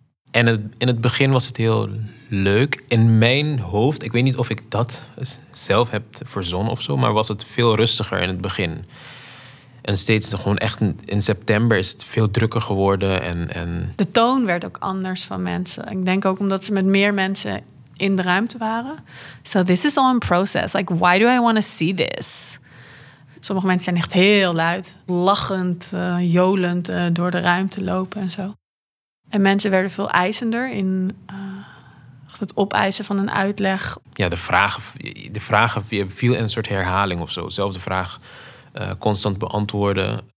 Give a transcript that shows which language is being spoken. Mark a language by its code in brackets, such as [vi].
[nl] En in het begin was het heel leuk. In mijn hoofd, ik weet niet of ik dat zelf heb verzonnen of zo, maar was het veel rustiger in het begin. En steeds gewoon echt in september is het veel drukker geworden. En de toon werd ook anders van mensen. Ik denk ook omdat ze met meer mensen in de ruimte waren. [en] So this is all in process. Like, why do I want to see this? [nl] Sommige mensen zijn echt heel luid, lachend, jolend door de ruimte lopen en zo. En mensen werden veel eisender in het opeisen van een uitleg. Ja, de vragen viel in een soort herhaling of zo. Zelfde vraag constant beantwoorden.